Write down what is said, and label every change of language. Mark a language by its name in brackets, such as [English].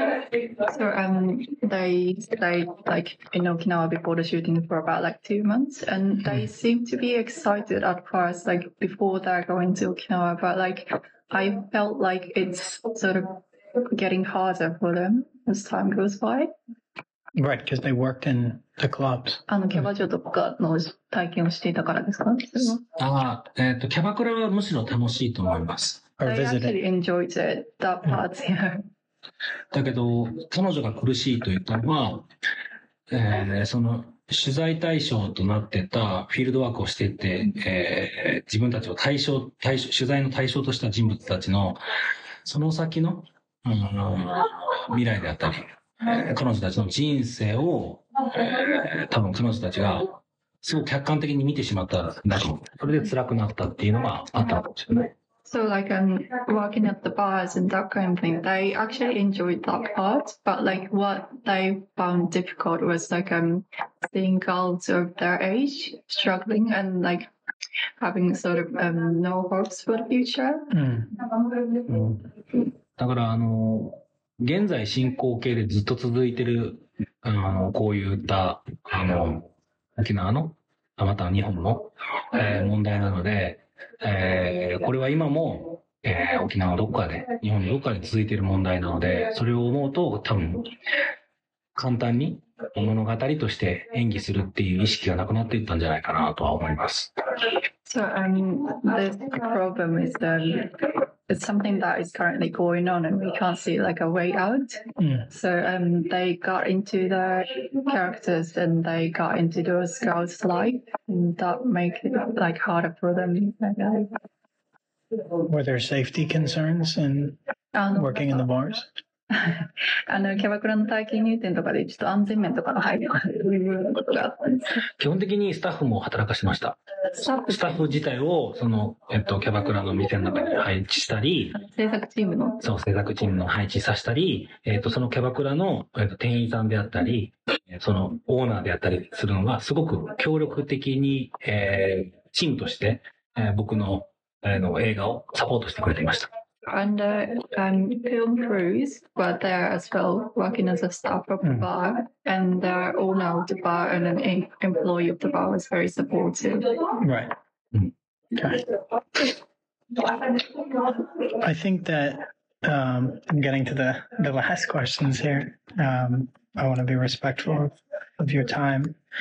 [English] So, they in Okinawa before the shooting for about like 2 months, and they seem to be excited at first, like before they're going to Okinawa. But like, I felt like it's sort of getting harder for them as time goes by. Right, because they worked in the clubs. [Japanese] あのキャバ嬢とかの体験をしていたからですか？キャバクラはむしろ楽しいと思います。 [English] They actually enjoyed it, that part, yeah. [Japanese] だけど彼女が苦しいと言ったのは、その取材対象となってたフィールドワークをしていて、自分たちを対象取材の対象とした人物たちのその先の、未来であったり、彼女たちの人生を、多分彼女たちがすごく客観的に見てしまったんだと、それで辛くなったっていうのがあったかもしれない。 [English] So like working at the bars and that kind of thing, they actually enjoyed that part. But like what they found difficult was like seeing girls of their age struggling and like having sort of no hopes for the future. [Japanese] だから現在進行形でずっと続いてるこういった沖縄のまた日本の問題なので。これは今も、沖縄どこかで日本のどこかで続いている問題なので、それを思うと多分簡単に物語として演技するっていう意識がなくなっていったんじゃないかなとは思います。 [English] So, this problem is it's something that is currently going on and we can't see like a way out. So, they got into the characters and they got into those girls' life and that make it like harder for them. Were there safety concerns in working in the bars? [Japanese] キャバクラの体験入店とかでちょっと安全面とかの配慮があったんです。基本的にスタッフも働かしました。スタッフ自体をその、キャバクラの店の中に配置したり、制作チームの配置させたり、そのキャバクラの、店員さんであったり、そのオーナーであったりするのがすごく協力的に、チームとして、僕 の、の映画をサポートしてくれていました。 [English] And film crews were there as well, working as a staff of the bar, and the owner of the bar and an employee of the bar was very supportive. Right. Okay. I think that getting to the last questions here, I want to be respectful of your time.